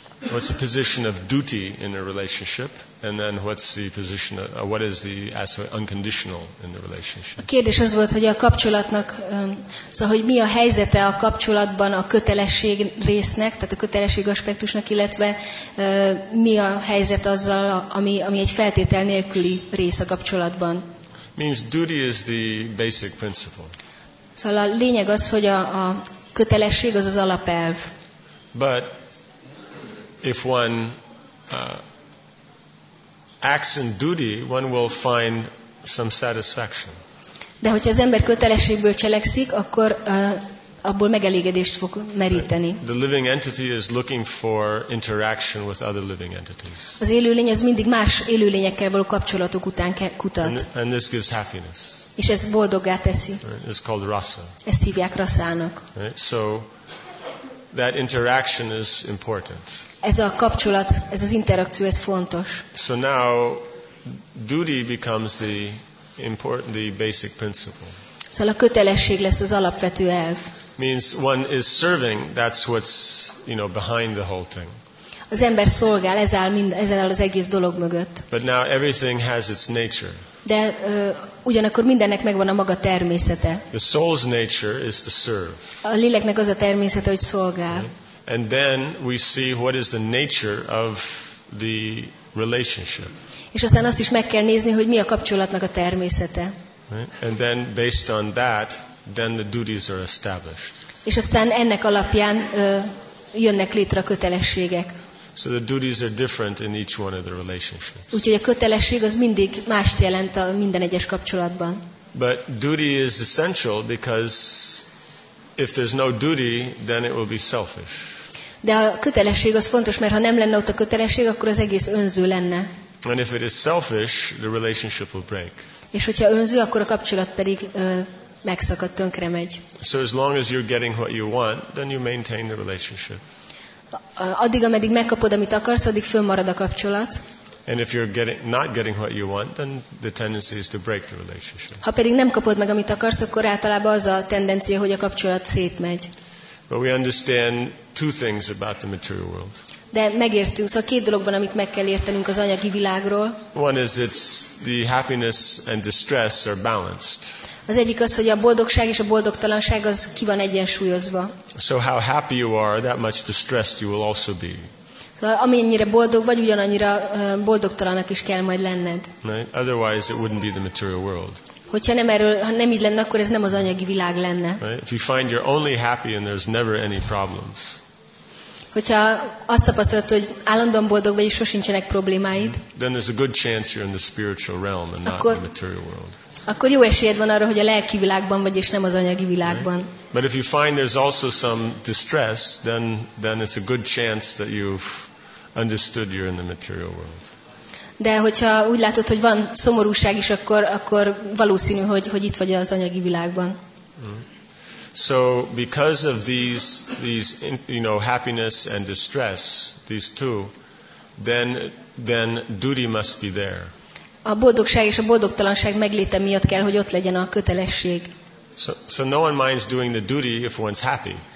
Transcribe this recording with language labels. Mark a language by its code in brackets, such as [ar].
[en] What's the position of duty in a relationship, and then what's the position of, what is the unconditional in the relationship? [hu] A kérdés az volt, hogy a kapcsolatnak, szóval hogy mi a helyzete a kapcsolatban a kötelesség résznek, tehát a kötelesség aspektusnak, illetve mi a helyzet azzal, ami egy feltétel nélküli rész a kapcsolatban. [en] Means duty is the basic principle. [hu] Szóval a lényeg az, hogy a kötelesség az az alapelv. [en] But if one acts in duty, one will find some satisfaction. [hu] De hogyha az ember kötelességből cselekszik, akkor abból megelégedést fog meríteni. [en] Right. The living entity is looking for interaction with other living entities. [hu] Az élőlény az mindig más élőlényekkel való kapcsolatok után kutat. [en] And this gives happiness. [hu] És ez boldoggá teszi. [en] Right. It's called rasa. [hu] Ezt hívják rasának. [en] Right. So that interaction is important. [hu] Ez a kapcsolat, ez az interakció, ez fontos. [en] So now duty becomes the important, the basic principle. [hu] Szóval a kötelesség lesz az alapvető elv. [en] Means one is serving, that's what's, you know, behind the whole thing. [hu] az ember szolgál, ez áll mind, ez áll az egész dolog mögött. [en] But now everything has its nature. [hu] De ugyanakkor mindennek megvan a maga természete. [en] The soul's nature is to serve. [hu] A léleknek az a természete, hogy szolgál. [en] Right? And then we see what is the nature of the relationship. [hu] És aztán azt is meg kell nézni, hogy mi a kapcsolatnak a természete. [en] Right? And then based on that, then the duties are established. [hu] És aztán ennek alapján jönnek létre a kötelességek. [en] So the duties are different in each one of the relationships. [hu] Úgyhogy a kötelesség az mindig mást jelent a minden egyes kapcsolatban. [en] But duty is essential because if there's no duty, then it will be selfish. [hu] De a kötelesség az fontos, mert ha nem lenne ott a kötelesség, akkor az egész önző lenne. [en] And if it is selfish, the relationship will break. [hu] És hogyha önző, akkor a kapcsolat pedig megszakad, tönkre megy. [en] So as long as you're getting what you want, then you maintain the relationship. [hu] Addig, ameddig megkapod, amit akarsz, addig fönnmarad a kapcsolat. [en] And if you're not getting what you want, then the tendency is to break the relationship. [hu] Ha pedig nem kapod meg, amit akarsz, akkor általában az a tendencia, hogy a kapcsolat szétmegy. [en] But we understand two things about the material world. [hu] De megértünk, szóval két dologban, amit meg kell értenünk az anyagi világról. [en] One is it's the happiness and distress are balanced. [hu] Az egyik az, hogy a boldogság és a boldogtalanság az ki van egyensúlyozva. [en] So how happy you are, that much distressed you will also be. [hu] Szóval amennyire boldog vagy, ugyanannyira boldogtalannak is kell majd lenned. [en] Right? Otherwise it wouldn't be the material world. [hu] Hogyha nem erről, ha nem így lenne, akkor ez nem az anyagi világ lenne. [en] Right? If you find you're only happy and there's never any problems. [hu] Hogyha azt tapasztalod, hogy állandóan boldog vagy, és sosincsenek problémáid, [en] then there's a good chance you're in the spiritual realm and not in the material world. [hu] Akkor jó esélyed van arra, hogy a lelki világban vagy, és nem az anyagi világban. [en] But if you find there's also some distress, then it's a good chance that you've understood you're in the material world. [hu] De hogyha úgy látod, hogy van szomorúság is, akkor valószínű, hogy itt vagy az anyagi világban. [en] So because of these you know, happiness and distress, these two, then duty must be there. [hu] A boldogság és a boldogtalanság megléte miatt kell, hogy ott legyen a kötelesség. [en] So no one minds doing the duty if one's happy.